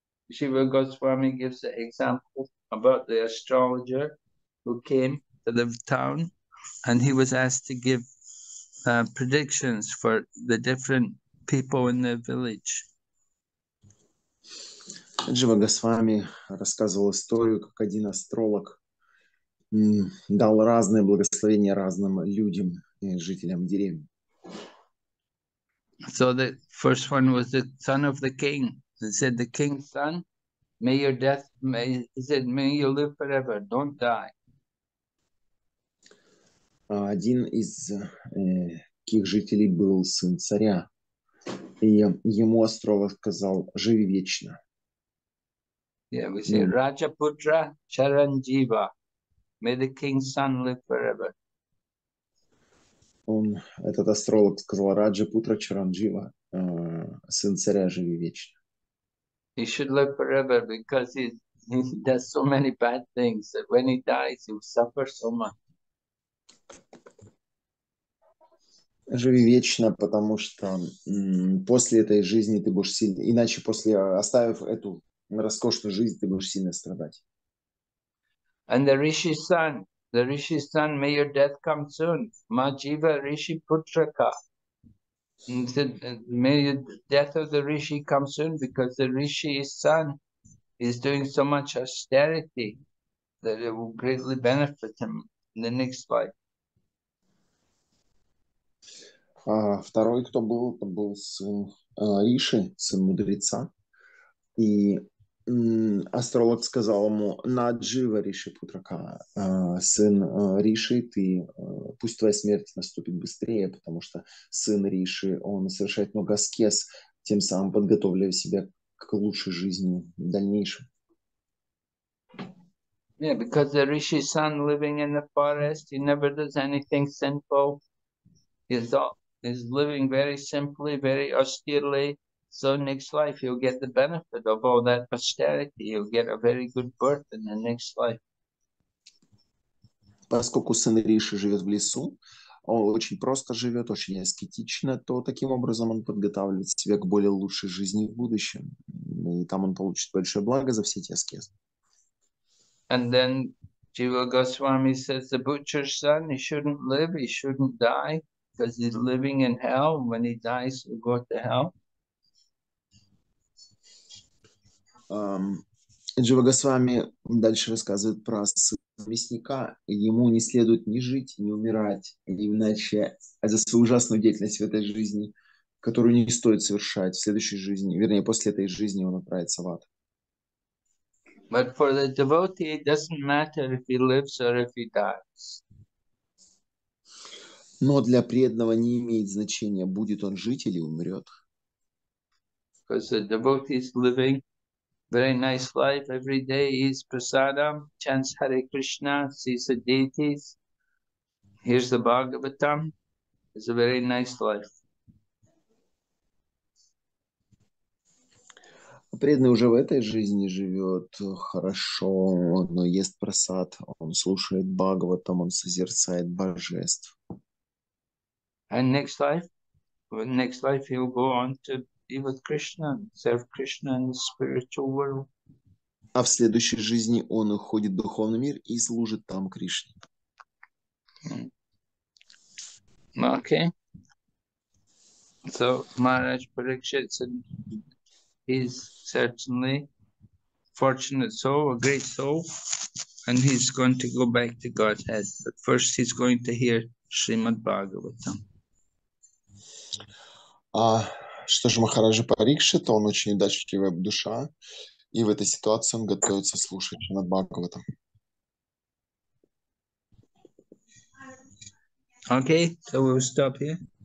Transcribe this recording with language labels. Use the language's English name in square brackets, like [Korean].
[English] Jiva Goswami gives an example about the astrologer who came to the town, and he was asked to give predictions for the different people in the village. [Russian] Джива Госвами рассказывал историю, как один астролог дал разные благословения разным людям и жителям деревни. [English] So the first one was the son of the king. He said, the king's son, may you live forever, don't die. [Russian] Один из таких жителей был сын царя. И ему астролог сказал, живи вечно. [English] Yeah, we say [Sanskrit] Rajaputra Charanjiva. [English] May the king's son live forever. [Russian] Этот астролог сказал [Sanskrit] Rajaputra Charanjiva, [Russian] сын царя живи вечно. [English] He should live forever because he does so many bad things that when he dies, he'll suffer so much. [Russian] Живи вечно, потому что после этой жизни ты будешь сильно, иначе после оставив эту роскошную жизнь, ты будешь сильно страдать. [English] And the Rishi's son, may your death come soon. [Sanskrit] Majiva Rishi Putraka. [English] May the death of the Rishi come soon, because the Rishi's son is doing so much austerity that it will greatly benefit him in the next life. [Russian] Второй, кто был, это был сын Риши, сын мудреца. И астролог сказал ему, [Sanskrit] Наджива Риши Путрака, [Russian] сын Риши, пусть твоя смерть наступит быстрее, потому что сын Риши, он совершает много аскез, тем самым подготовляя себя к лучшей жизни в дальнейшем. [English] Yeah, because the Rishi's son living in the forest, he never does anything sinful. He's living very simply, very austerely. So next life you'll get the benefit of all that austerity. You'll get a very good birth in the next life. [Russian] Поскольку сын Риши живет в лесу, он очень просто живет, очень аскетично, то таким образом он подготавливает себя к более лучшей жизни в будущем. И там он получит большое благо за все эти аскезы. [English] And then Jiva Goswami says, the butcher's son, he shouldn't live, he shouldn't die, because he's living in hell. When he dies, he'll go to hell. [Russian] Джива Госвами дальше рассказывает про сына мясника. Ему не следует ни жить, ни умирать, иначе за свою ужасную деятельность в этой жизни, которую не стоит совершать в следующей жизни, вернее, после этой жизни он отправится в ад. [English] But for the devotee, it doesn't matter if he lives or if he dies. [Russian] Но для преданного не имеет значения, будет он жить или умрет. [English] Because the devotee is living very nice life every day, eats prasadam, chants Hare Krishna, sees the deities, hears the Bhagavatam. It's a very nice life. [Russian] Преданный уже в этой жизни живет хорошо, но ест прасад, он слушает Бхагаватам, он созерцает божеств. [English] And next life he'll go on to be with Krishna, serve Krishna in the spiritual world. [Russian] А в следующей жизни он уходит в духовный мир и служит там Кришне. [English] Okay. So Maharaj Parikshit said he's certainly fortunate soul, a great soul, and he's going to go back to Godhead. But first he's going to hear Srimad Bhagavatam. [Russian] А что же Махараджа Парикшит, он очень удачливая душа, и в этой ситуации он готовится слушать Шримад Бхагаватам. [English] Okay, so we'll stop here.